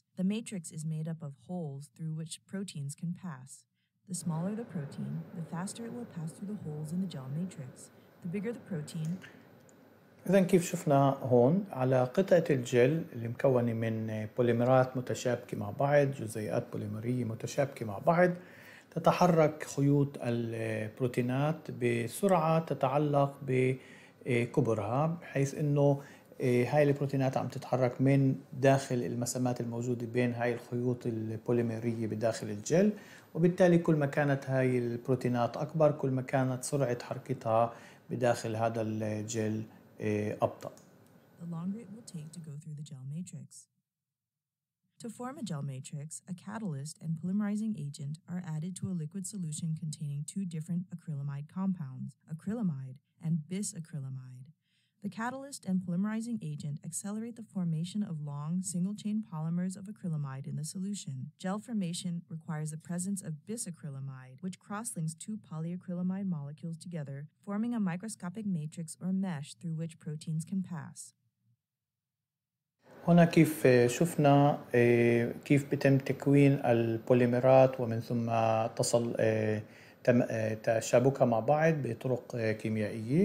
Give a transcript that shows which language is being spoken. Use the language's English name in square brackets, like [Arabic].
[English] The matrix is made up of holes through which proteins can pass. The smaller the protein, the faster it will pass through the holes in the gel matrix. The bigger the protein. [Arabic] إذن كيف شفنا هون على قطعة الجل اللي مكونة من بوليمرات متشابكة مع بعض، جزيئات بوليمرية متشابكة مع بعض، تتحرك خيوط البروتينات بسرعة تتعلق بكبرها، بحيث انه هاي البروتينات عم تتحرك من داخل المسامات الموجودة بين هاي الخيوط البوليميرية بداخل الجل، وبالتالي كل ما كانت هاي البروتينات اكبر كل ما كانت سرعة حركتها بداخل هذا الجل ابطأ. [English] The longer it will take to go through the gel matrix. To form a gel matrix, a catalyst and polymerizing agent are added to a liquid solution containing two different acrylamide compounds, acrylamide and bisacrylamide. The catalyst and polymerizing agent accelerate the formation of long, single-chain polymers of acrylamide in the solution. Gel formation requires the presence of bisacrylamide, which crosslinks two polyacrylamide molecules together, forming a microscopic matrix or mesh through which proteins can pass. [Arabic] هنا كيف شفنا كيف بتم تكوين البوليمرات ومن ثم تصل تشابكها مع بعض بطرق كيميائية.